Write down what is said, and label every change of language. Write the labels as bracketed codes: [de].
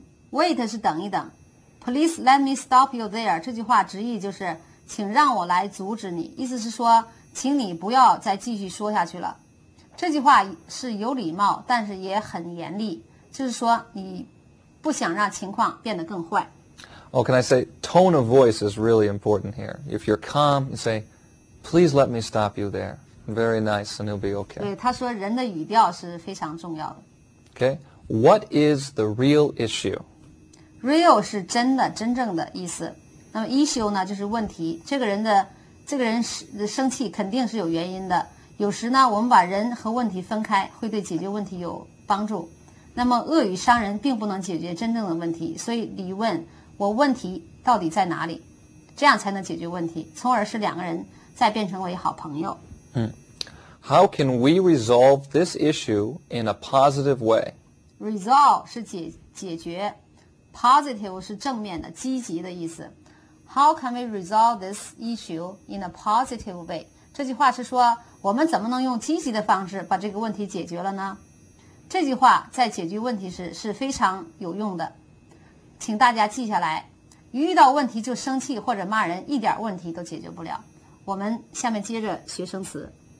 [zh] Wait 是等一等， [en] Please let me stop you there [zh] 这句话直译就是请让我来阻止你，意思是说请你不要再继续说下去了。这句话是有礼貌但是也很严厉，就是说你不想让情况变得更坏。 [en] Oh, can I say tone of voice is really important here. If you're calm, you say please let me stop you there. Very nice, and it'll be okay. [zh] 对，他说人的语调是非常重要的。 [en] OkayWhat is the real issue? [zh] Real 是真的、真正的意思。那么 issue 呢，就是问题。这个人生气肯定是有原因的。有时呢，我们把人和问题分开，会对解决问题有帮助。那么恶语伤人并不能解决真正的问题，所以你问我问题到底在哪里，这样才能解决问题，从而使两个人再变成为好朋友。 [en] How can we resolve this issue in a positive way? [zh] Resolve 是 解决 Positive 是正面的、积极的意思。 [en] How can we resolve this issue in a positive way? [zh] 这句话是说我们怎么能用积极的方式把这个问题解决了呢？这句话在解决问题时是非常有用的，请大家记下来。遇到问题就生气或者骂人，一点问题都解决不了。我们下面接着学生词。